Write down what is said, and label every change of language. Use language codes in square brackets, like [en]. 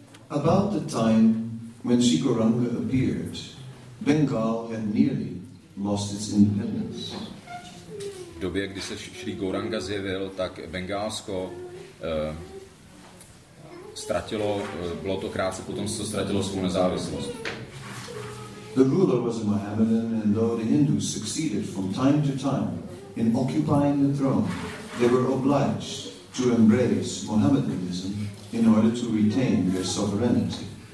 [en] About the time when Sikaranga appeared, Bengal had nearly lost its independence. [cs] V době, kdy se Sri Gauranga zjevil, tak Bengálsko ztratilo, bylo to krátce potom, co ztratilo svou nezávislost. [en] The ruler was a Mohammedan, and though the Hindus succeeded from time to time in occupying the throne, they were obliged to embrace Mohammedanism in order to retain their sovereignty.